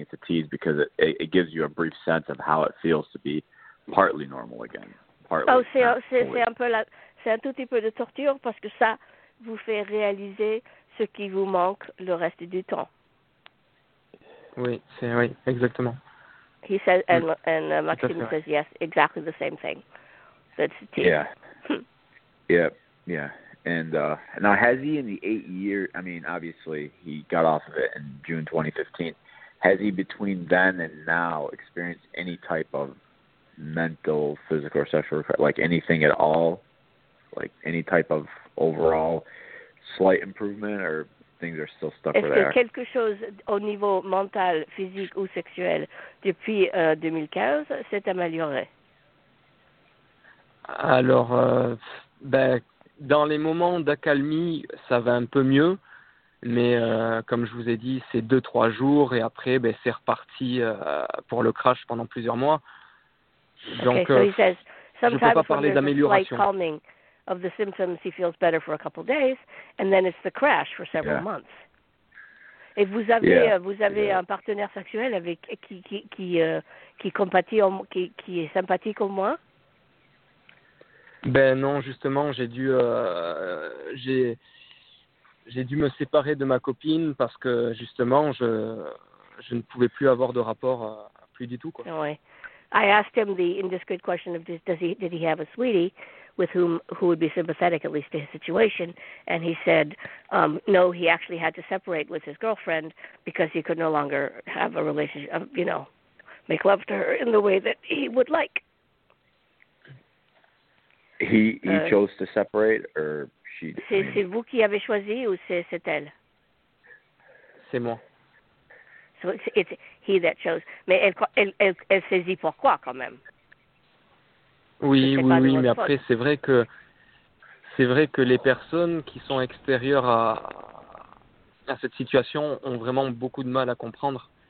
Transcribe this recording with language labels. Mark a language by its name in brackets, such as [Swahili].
[English] It's a tease because it gives you a brief sense of how it feels to be partly normal again. Partly. [French] Oh, c'est un tout petit peu de torture parce que ça vous fait réaliser ce qui vous manque le reste du temps. Oui, exactement. [English] He says, and Maxime says, yes, exactly the same thing. That's it. Yeah. And now, has he in the 8 years, I mean, obviously, he got off of it in June 2015. Has he, between then and now, experienced any type of mental, physical, or sexual, like anything at all? Like any type of overall slight improvement, or things are still stuck where they are? [French] Est-ce que quelque chose au niveau mental, physique ou sexuel depuis 2015 s'est amélioré? Alors, dans les moments d'accalmie, ça va un peu mieux, mais comme je vous ai dit, c'est 2-3 jours et après, c'est reparti pour le crash pendant plusieurs mois. Donc, Je peux pas parler d'amélioration. [English] Of the symptoms, he feels better for a couple of days, and then it's the crash for several months. [French] Et vous avez un partenaire sexuel avec qui est sympathique au moins? Ben non, justement, j'ai dû me séparer de ma copine parce que justement je ne pouvais plus avoir de rapport plus du tout, quoi. Oui. [English] I asked him the indiscreet question of did he have a sweetie with whom who would be sympathetic at least to his situation, and he said no, he actually had to separate with his girlfriend because he could no longer have a relationship, you know, make love to her in the way that he would like. He chose to separate, or she? [French] C'est vous qui avez choisi ou c'est elle? C'est moi. [English] So it's he that chose. [French] Mais elle saisit pourquoi quand même. Oui, mais après, c'est vrai que les personnes qui sont extérieures à cette situation ont vraiment beaucoup de mal à comprendre.